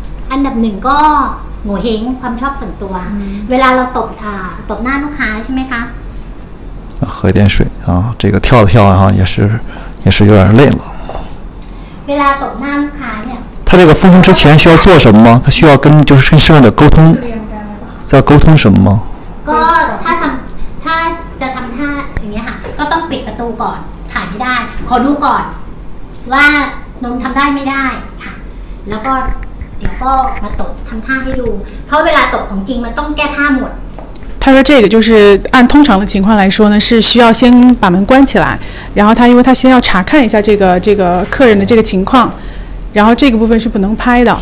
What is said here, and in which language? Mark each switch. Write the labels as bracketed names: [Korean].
[Thai] อันดับหนึ่งก็หมูเฮงความชอบส่วนตัวเวลาเราตบหน้าลูกค้าใช่ไหมคะ [Chinese] 喝一点水啊这个跳了跳啊也是有点累了 [Thai] เวลาตกหน้าลูกค้าเนี่ย ถ้า เ รียกฟุ้งฟุ้งที่ [Chinese] 前需要做什么他需要跟就是跟上面的沟通在沟通什么 [Thai] ก็ถ้าทำถ้าจะทำท่าอย่างเงี้ยค่ะก็ต้องปิดประตูก่อนถ่ายไม่ได้ขอดูก่อนว่านมทำได้ไม่ได้ค่ะแล้วก็เดี๋ยวก็มาตกทำท่าให้ดูเพราะเวลาตกของจริงมันต้องแก้ผ้าหมด [Chinese] 他说这个就是按通常的情况来说呢是需要先把门关起来然后他因为他先要查看一下这个客人的这个情况然后这个部分是不能拍的